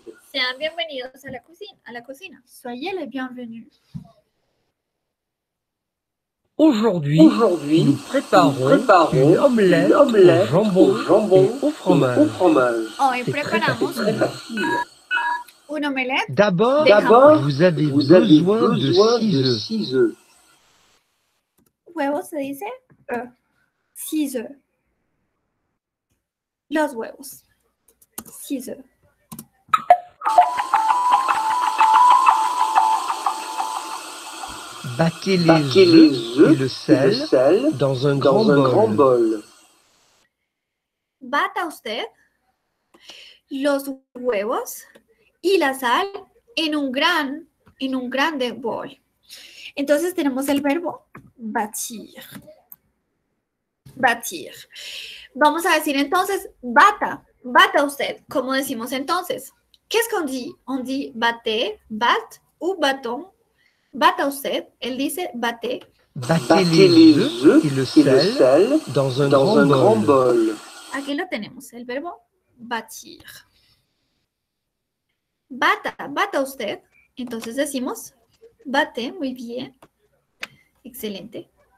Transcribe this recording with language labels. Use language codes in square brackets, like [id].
[es] Sean bienvenidos a la cocina. [fr] Soyez les bienvenus. Aujourd'hui, nous préparons l'omelette au jambon et au fromage. Oh, préparons une omelette. D'abord, vous avez besoin de 6 œufs. [es] Huevos se dice 6 œufs. Los huevos. 6 œufs. [fr] Battez les œufs et le sel dans un grand bol. [es] Bata usted los huevos y la sal en un grande bol. Entonces tenemos el verbo batir. Batir. Vamos a decir entonces bata usted, como decimos entonces. [fr] ¿Qué es qu'on dit? On dit bat ou bâton. [es] Bata usted, él dice bate. [fr] Battez les œufs et le sel dans un grand bol. [es] Aquí lo tenemos, el verbo batir. Bata usted. Entonces decimos bate, muy bien. Excelente.